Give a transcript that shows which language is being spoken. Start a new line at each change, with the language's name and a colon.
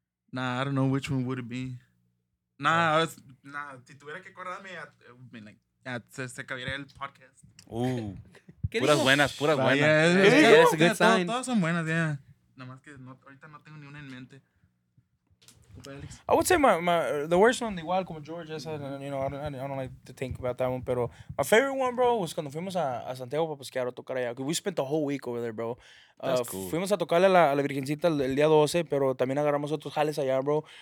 English: Nah, I don't know which one would it be. Nah, yeah.
Spanish: Si tuviera que acordarme, se acabaría el podcast. Puras buenas.
English: Yeah, it's good. Yeah, it's a good sign.
Spanish: Todas son buenas,
English: yeah.
Spanish: Nada más que no, ahorita no tengo ni una en mente.
English: I would say my the worst one,
Spanish: igual como George,
English: I don't like to think about that one,
Spanish: pero
English: my favorite one, bro, was
Spanish: cuando fuimos a Santiago para pasear a tocar allá.
English: We spent the whole week over there, bro. That's cool.
Spanish: Fuimos a tocarle a la Virgencita el día 12, pero también agarramos otros jales allá, bro.